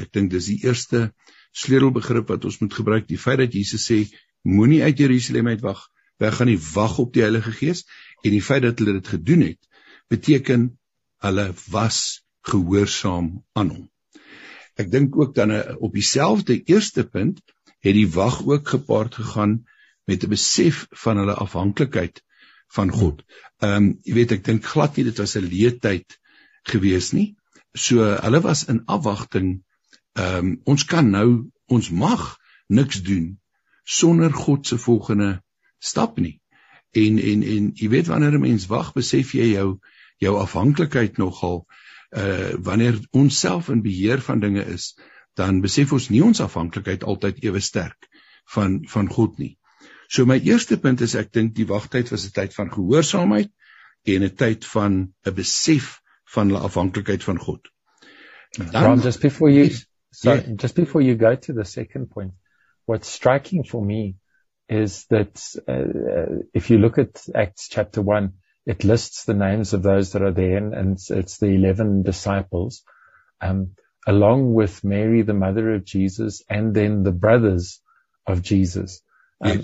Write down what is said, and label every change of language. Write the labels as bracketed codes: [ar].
[af] Ek dink dis die eerste sleutelbegrip wat ons moet gebruik, die feit dat Jesus sê moenie uit Jerusalem uit wag, wy gaan nie wag op die Heilige Gees en die feit dat hulle dit gedoen het beteken hulle was gehoorsaam aan hom. Ek dink ook dan op dieselfde eerste punt het die wag ook gepaard gegaan met 'n besef van hulle afhanklikheid van God. Jy weet, ek dink glad nie dit was 'n leetyd gewees nie. So hulle was in afwagting. Ons kan nou, ons mag niks doen sonder God se volgende stap nie. En jy weet wanneer 'n mens wag, besef jy jou afhanklikheid nogal, wanneer ons self in beheer van dinge is, dan besef ons nie ons afhanklikheid altyd ewe sterk van God nie. So my eerste punt is, ek dink die wagtyd was 'n tyd van gehoorsaamheid en 'n tyd van 'n besef van hulle afhanklikheid van God. [en] Dan, Ron, just before you go to the second point, what's striking for me is that if you look at Acts chapter 1, it lists the names of those that are there, and it's the 11 disciples, along with Mary, the mother of Jesus, and then the brothers of Jesus. Yes.